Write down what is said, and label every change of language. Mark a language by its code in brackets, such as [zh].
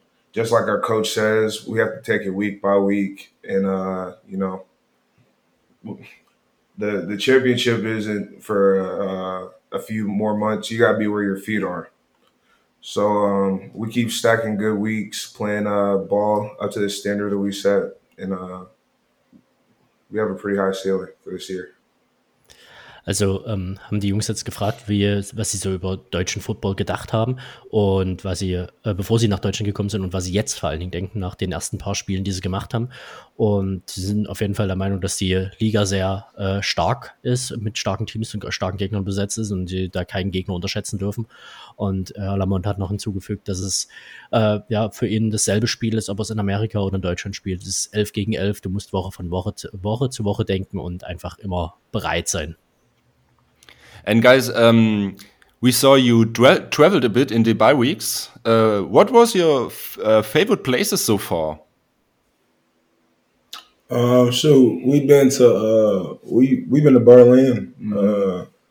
[en] Just like our coach says, we have to take it week by week, and you know, the championship isn't for a few more months. You got to be where your feet are. So we keep stacking good weeks, playing ball up to the standard that we set, and we have a pretty high ceiling for this year. [de] Also haben die Jungs jetzt gefragt, was sie so über deutschen Football gedacht haben und was sie, bevor sie nach Deutschland gekommen sind und was sie jetzt vor allen Dingen denken nach den ersten paar Spielen, die sie gemacht haben. Und sie sind auf jeden Fall der Meinung, dass die Liga sehr stark ist, mit starken Teams und starken Gegnern besetzt ist und sie da keinen Gegner unterschätzen dürfen. Und Lamont hat noch hinzugefügt, dass es ja für ihn dasselbe Spiel ist, ob er es in Amerika oder in Deutschland spielt. Es ist 11 gegen 11, du musst Woche zu Woche denken und einfach immer bereit sein. [en] And guys, we saw you traveled a bit in the bye weeks. What was your favorite places so far? So we've been to Berlin, mm-hmm.